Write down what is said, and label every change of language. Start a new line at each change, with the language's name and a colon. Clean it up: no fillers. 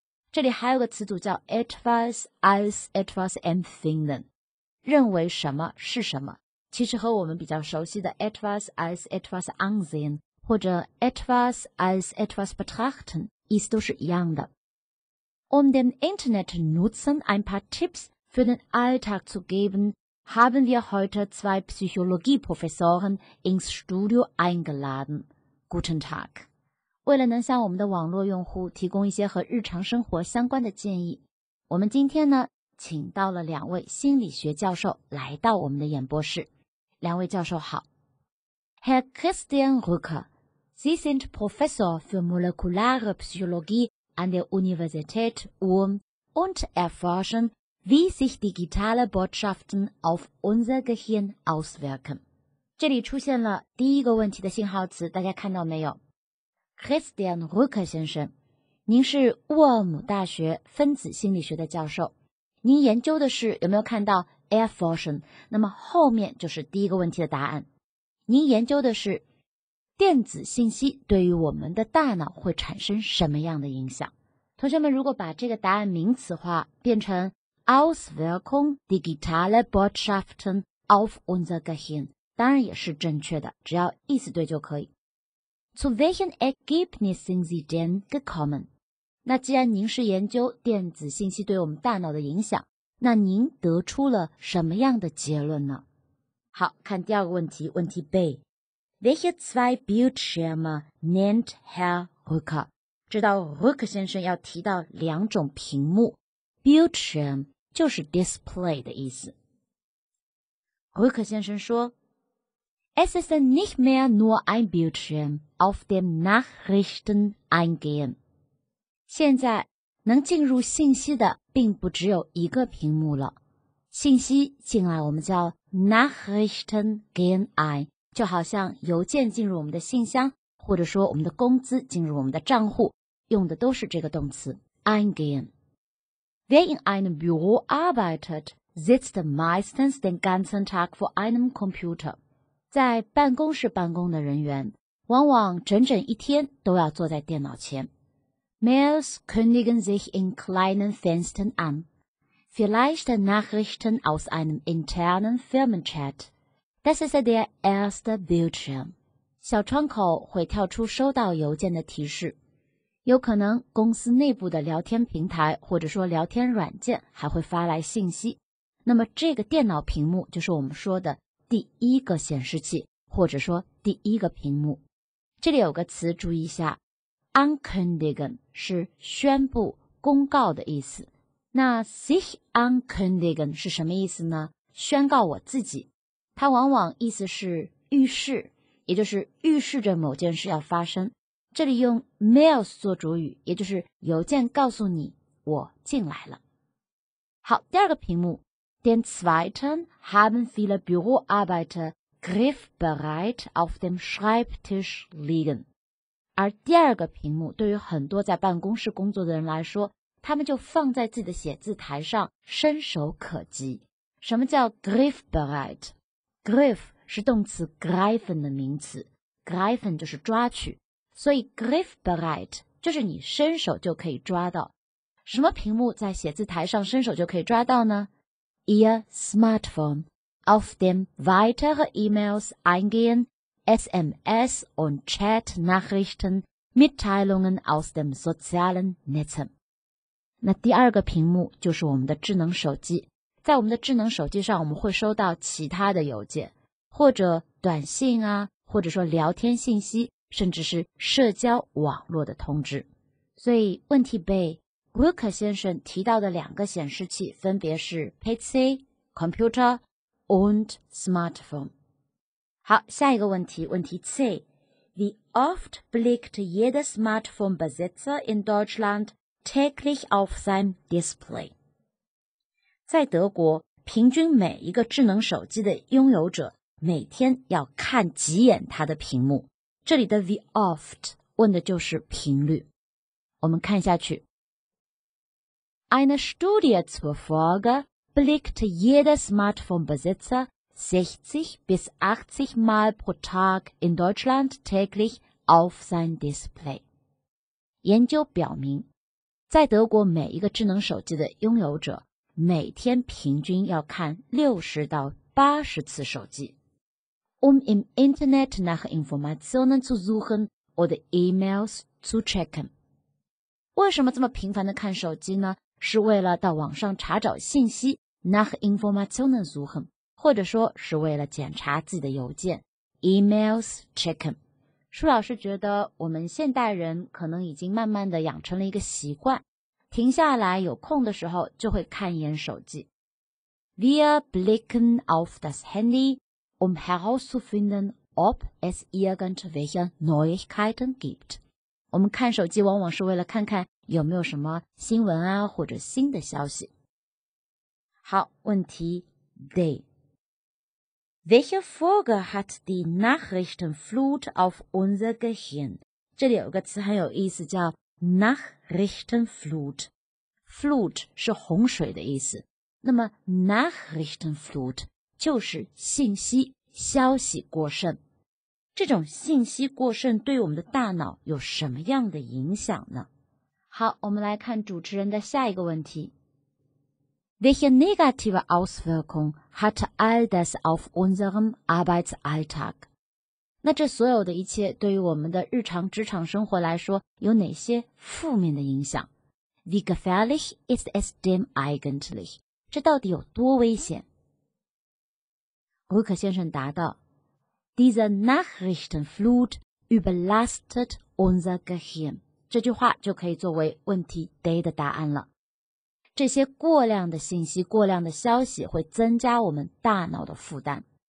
Chinese: 这里还有个词组叫
German: etwas als etwas empfinden，
Chinese: 认为什么是什么，其实和我们比较熟悉的
German: etwas als etwas ansehen
Chinese: 或者
German: etwas als etwas betrachten
Chinese: 意思都是一样的。
German: Um dem Internet nutzen ein paar Tipps für den Alltag zu geben, haben wir heute zwei Psychologieprofessoren ins Studio eingeladen. Guten Tag.
Chinese: 为了能向我们的网络用户提供一些和日常生活相关的建议，我们今天呢请到了两位心理学教授来到我们的演播室。两位教授好。
German: Herr Christian Rücker, Sie sind Professor für molekulare Psychologie an der Universität Ulm und erforschen, wie sich digitale Botschaften auf unser Gehirn auswirken.
Chinese: 这里出现了第一个问题的信号词，大家看到没有？ Christian Rücker 先生，您是乌尔姆大学分子心理学的教授。您研究的是，有没有看到 erforschen， 那么后面就是第一个问题的答案。您研究的是电子信息对于我们的大脑会产生什么样的影响。同学们，如果把这个答案名词化变成
German: Auswirkung digitale Botschaften auf unser Gehirn，
Chinese: 当然也是正确的，只要意思对就可以。
German: Zu welchen Ergebnis sind Sie denn gekommen?
Chinese: 那既然您是研究电子信息对我们大脑的影响，那您得出了什么样的结论呢？好，看第二个问题，问题 B。
German: Welche zwei Bildschirme nennt Herr Rücker?
Chinese: 知道 Rücker 先生要提到两种屏幕。 Bildschirm 就是 display 的意思。 Rücker 先生说
German: Es ist nicht mehr nur ein Bildschirm, auf dem Nachrichten eingehen.
Chinese: 现在能进入信息的并不只有一个屏幕了。信息进来我们叫
German: Nachrichten gehen ein，
Chinese: 就好像邮件进入我们的信箱，或者说我们的工资进入我们的账户，用的都是这个动词 eingehen。
German: Wer in einem Büro arbeitet, sitzt meistens den ganzen Tag vor einem Computer。
Chinese: 在办公室办公的人员往往整整一天都要坐在电脑前。
German: Mails kündigen sich in kleinen Fenstern an. Vielleicht Nachrichten aus einem internen Firmenchat. Das ist der erste Bildschirm.
Chinese: 小窗口会跳出收到邮件的提示。有可能公司内部的聊天平台或者说聊天软件还会发来信息。那么这个电脑屏幕就是我们说的第一个显示器，或者说第一个屏幕。这里有个词注意一下。 Ankündigen 是宣布公告的意思。那 sich ankündigen 是什么意思呢？宣告我自己。它往往意思是预示，也就是预示着某件事要发生。这里用 mails 做主语，也就是邮件告诉你我进来了。好，第二个屏幕。
German: Den zweiten haben viele Büroarbeiter griffbereit auf dem Schreibtisch liegen.
Chinese: 而第二个屏幕对于很多在办公室工作的人来说，他们就放在自己的写字台上，伸手可及。什么叫 griffbereit? Griff 是动词 greifen 的名词， greifen 就是抓取，所以 griffbereit 就是你伸手就可以抓到。什么屏幕在写字台上伸手就可以抓到呢？
German: Ihr Smartphone, auf dem weitere E-Mails eingehen,SMS und Chat-Nachrichten Mitteilungen aus dem sozialen Netzen.
Chinese: 那第二个屏幕就是我们的智能手机。在我们的智能手机上我们会收到其他的邮件或者短信啊或者说聊天信息甚至是社交网络的通知。所以问题被 Wilker 先生提到的两个显示器分别是
German: PC, Computer und Smartphone。
Chinese: 好下一个问题问题
German: C, wie oft blickt jeder Smartphone-Besitzer in Deutschland täglich auf sein Display?
Chinese: 在德国平均每一个智能手机的拥有者每天要看几眼它的屏幕。这里的
German: wie oft
Chinese: 问的就是频率。我们看下去。
German: Eine Studie zufolge blickt jeder Smartphone-Besitzer 60 bis 80 Mal pro Tag in Deutschland täglich auf sein Display.
Chinese: 研究表明，在德国每一个智能手机的拥有者每天平均要看60到80次手机。
German: Um im Internet nach Informationen zu suchen oder E-Mails zu checken.
Chinese: 为什么这么频繁地看手机呢？是为了到网上查找信息。
German: Nach Informationen suchen.
Chinese: 或者说是为了检查自己的邮件 ,
German: emails checken.
Chinese: 舒老师觉得我们现代人可能已经慢慢地养成了一个习惯停下来有空的时候就会看一眼手机。
German: Wir blicken auf das Handy, um herauszufinden, ob es irgendwelche Neuigkeiten gibt.
Chinese: 我们看手机往往是为了看看有没有什么新闻啊或者新的消息。好问题 D.
German: Welche Folge hat die Nachrichtenflut auf unser Gehirn?
Chinese: 这里有个词很有意思叫 Nachrichtenflut. Flut 是洪水的意思。那么 Nachrichtenflut 就是信息消息过剩。这种信息过剩对我们的大脑有什么样的影响呢？好，我们来看主持人的下一个问题。
German: Welche negative Auswirkung hat all das auf unserem Arbeitsalltag?
Chinese: 那这所有的一切对于我们的日常职场生活来说有哪些负面的影响?
German: Wie gefährlich ist es denn eigentlich?
Chinese: 这到底有多危险? Rücker 先生答道,
German: Diese Nachrichtenflut überlastet unser Gehirn.
Chinese: 这句话就可以作为问题 Day 的答案了。这些过量的信息、过量的消息会增加我们大脑的负担。